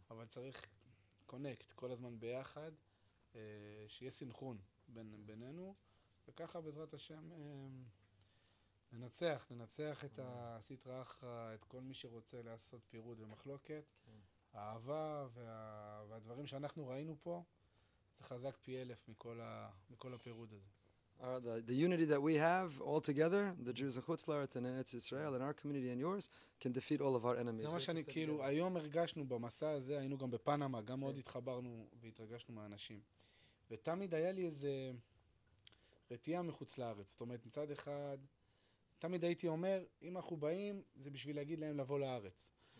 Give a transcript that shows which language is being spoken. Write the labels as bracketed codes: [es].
[he] אבל צריך קונקט כל הזמן ביחד, שיהיה סינכרון בין, בינינו, וככה בעזרת השם ננצח, ננצח את הסטרא אחרא, את כל מי שרוצה לעשות פירוד ומחלוקת. כן. האהבה והדברים שאנחנו ראינו פה, זה חזק פי אלף מכל, מכל הפירוד הזה. [en] The unity that we have all together, the Jews of Chutz Laaretz and Eretz Israel and our community and yours, can defeat all of our enemies. [he] זה מה שאני כאילו, היום הרגשנו במסע הזה, היינו גם בפנמה, גם מאוד התחברנו והתרגשנו מהאנשים. ותמיד היה לי איזה רתיעה מחוץ לארץ. זאת אומרת, מצד אחד, תמיד הייתי אומר, אם אנחנו באים, זה בשביל להגיד להם לבוא לארץ.